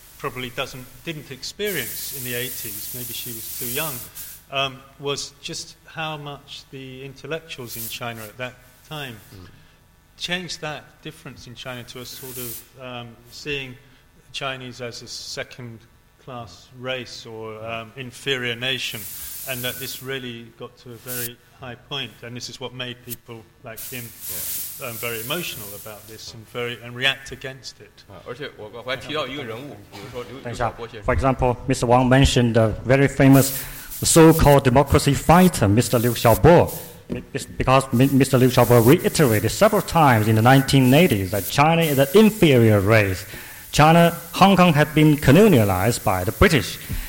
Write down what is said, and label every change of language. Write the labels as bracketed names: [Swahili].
[English] Probably didn't experience in the 80s, maybe she was too young, was just how much the intellectuals in China at that time changed that difference in China to a sort of seeing Chinese as a second-class race or inferior nation, and that this really got to a very high point, and this is what made people like him very emotional about this and react against it. [Chinese] 而且我还提到一个人物，比如说刘晓波先生。 [English] For example, Mr. Wang mentioned the very famous so-called democracy fighter, Mr. Liu Xiaobo. Because Mr. Liu Xiaobo reiterated several times in the 1980s that China is an inferior race. China, Hong Kong had been colonialized by the British.